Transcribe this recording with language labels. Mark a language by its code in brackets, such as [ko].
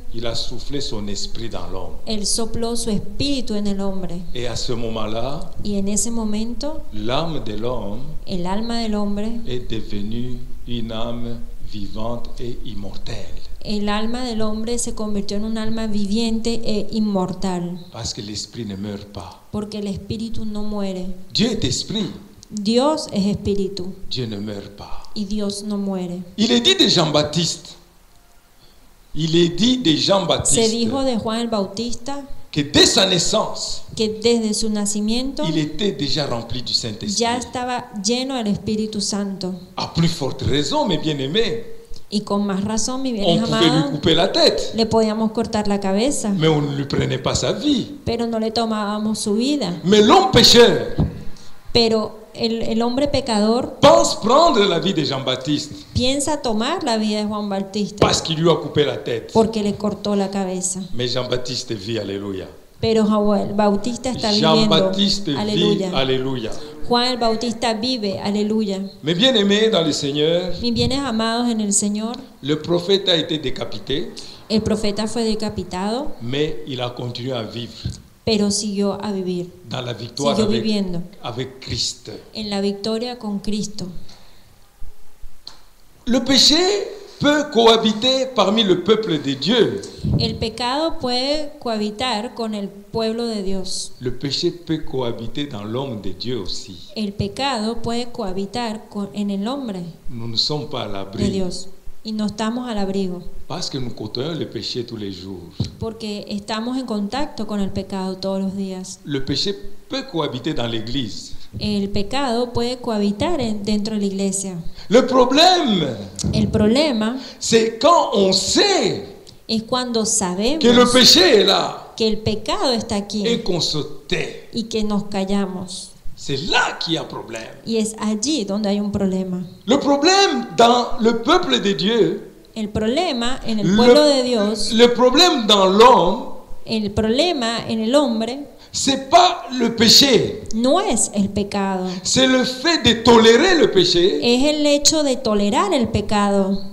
[fr] il a soufflé son esprit dans l'homme. [es] Él sopló su espíritu en el hombre. [fr] Et à ce moment-là, [es] y en ese momento, [fr] l'âme de l'homme, [es] el alma del hombre, [fr] est devenue une âme vivante et immortelle. [es] El alma del hombre se convirtió en un alma viviente e inmortal. [fr] Parce que l'esprit ne meurt pas. [es] Porque el espíritu no muere. [fr] Dieu est esprit. [es] Dios es espíritu. [fr] Dieu ne meurt pas. [es] Y Dios no muere. [fr] Il est dit de Jean-Baptiste. Il est dit de Jean-Baptiste. [es] Se dijo de Juan el Bautista. [fr] Que dès sa naissance. [es] Que desde su nacimiento. [fr] Il était déjà rempli du Saint-Esprit. [es] Ya estaba lleno del Espíritu Santo. [fr] A plus forte raison, mes bien-aimés. [es] Y con más razón, mi bien amado, [fr] lui couper la tête, [es] le podíamos cortar la cabeza. [fr] Mais on ne lui prenait pas sa vie. [es] Pero no le tomábamos su vida. [fr] Mais l'homme pécheur. [es] Pero el hombre pecador [fr] pense prendre la vie de Jean-Baptiste, [es] piensa tomar la vida de Juan Bautista, [fr] parce qu'il lui a coupé la tête, [es] porque le cortó la cabeza. [fr] Mais Jean-Baptiste vit, alléluia. [es] Pero Juan Bautista está viviendo. [fr] Jean-Baptiste vit, alléluia. [es] Juan el Bautista vive, alléluia. [fr] Mes bien-aimés dans le Seigneur, [es] mis bienes amados en el Señor, [fr] le prophète a été décapité, [es] el profeta fue decapitado, [fr] mais il a continué à vivre. [es] Pero siguió a vivir. [fr] Dans la victoire [es] siguió viviendo. [fr] Avec Christ. [es] En la victoria con Cristo. [fr] Le péché peut cohabiter parmi le peuple de Dieu. [es] El pecado puede cohabitar con el pueblo de Dios. [fr] Le péché peut cohabiter dans l'homme de Dieu aussi. [es] El pecado puede cohabitar en el hombre. [fr] Nous ne sommes pas à l'abri. [es] De Dios. Y no estamos al abrigo. [fr] Parce que nous côtoyons le péché tous les jours. [es] Porque estamos en contacto con el pecado todos los días. [fr] Le péché peut cohabiter dans l'église. [es] El pecado puede cohabitar dentro de la iglesia. [fr] Le problème. [es] El problema. [fr] C'est quand on sait. [es] Es cuando sabemos. [fr] Que le péché est là. [es] Que el pecado está aquí. [fr] Et qu'on se tait. [es] Y que nos callamos. [fr] C'est là qu'il y a problème. [es] Y es allí donde hay un problema. [fr] Le problème dans le peuple de Dieu. [es] El problema en el pueblo de Dios. [fr] Le problème dans l'homme. [es] El problema en el hombre. [fr] C'est pas le péché. [es] No es el pecado. [fr] C'est le fait de tolérer le péché. [es] Es el hecho de tolerar el pecado.